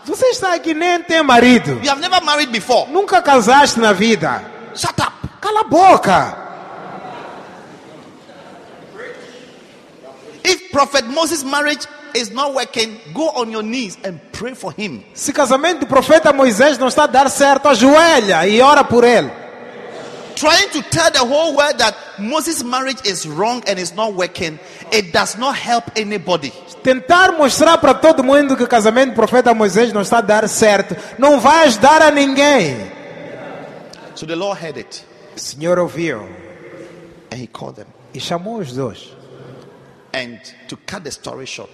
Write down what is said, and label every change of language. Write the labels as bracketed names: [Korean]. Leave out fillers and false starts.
[Portuguese] Você está aqui nem tem marido. [English] You have never married before. [Portuguese] Nunca casaste na vida. [English] Shut up. [Portuguese] Cala a boca. [English] If Prophet Moses' marriage is not working, go on your knees and pray for him. [Portuguese] Se casamento do profeta Moisés não está a dar certo, ajoelha e ora por ele. [English] Trying to tell the whole world that Moses' marriage is wrong and is not working, it does not help anybody. [Portuguese] Tentar mostrar para todo mundo que o casamento do profeta Moisés não está a dar certo, não vai ajudar a ninguém. [English] So the Lord heard it. [Portuguese] O Senhor ouviu. [English] And he called them. [Portuguese] E chamou os dois. [English] And to cut the story short.